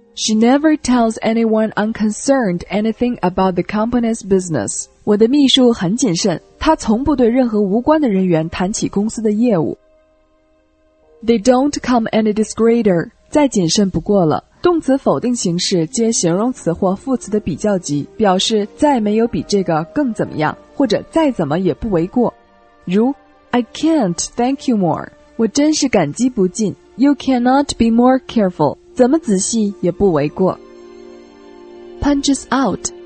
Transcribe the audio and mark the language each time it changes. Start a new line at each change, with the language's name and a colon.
English: She never tells anyone unconcerned anything about the company's business.
Chinese: 我的秘书很谨慎，她从不对任何无关的人员谈起公司的业务。
English: They don't come any discreeter.
Chinese: 再谨慎不过了。动词否定形式接形容词或副词的比较级，表示再没有比这个更怎么样，或者再怎么也不为过。如
English: I can't thank you more.
Chinese: 我真是感激不尽。
English: You cannot be more careful.
Chinese: 怎么仔细也不为过。
English: Punches out